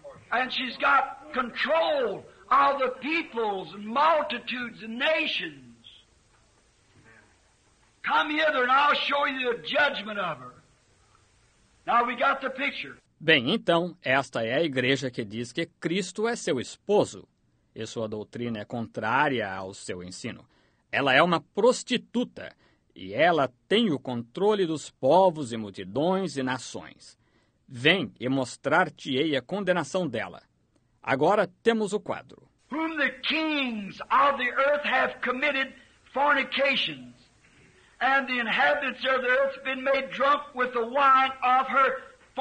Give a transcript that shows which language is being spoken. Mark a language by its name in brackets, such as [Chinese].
[English] And she's got control of the peoples and multitudes and nations. Come hither and I'll show you the judgment of her. Now we got the picture. [Portuguese] Bem, então, esta é a igreja que diz que Cristo é seu esposo e sua doutrina é contrária ao seu ensino. Ela é uma prostituta e ela tem o controle dos povos e multidões e nações. Vem e mostrar-te-ei a condenação dela. Agora temos o quadro. [English] Whom the kings of the earth have committed fornications, and the inhabitants of the earth been made drunk with the wine of her